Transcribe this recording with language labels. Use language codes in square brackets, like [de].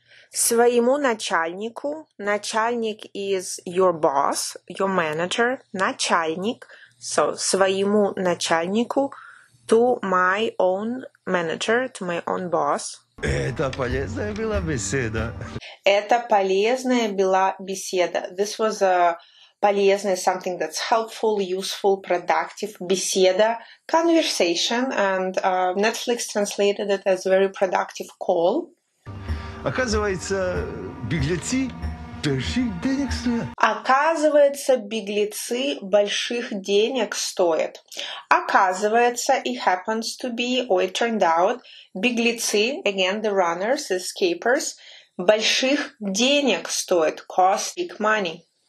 [ru] Своему начальнику. [en] Начальник is your boss, your manager. Начальник. So, своему начальнику. To my own manager, to my own boss. [ru] Это полезная была беседа. Это полезная была беседа. [en] This was a полезная, something that's helpful, useful, productive, беседа, conversation, and Netflix translated it as very productive call. [ru] Оказывается, беглецы больших денег стоят. Оказывается, беглецы больших денег стоят. [en] Оказывается, it happens to be, or it turned out, беглецы, again, the runners, the escapers, [ru] больших денег стоят, [en] cost big money.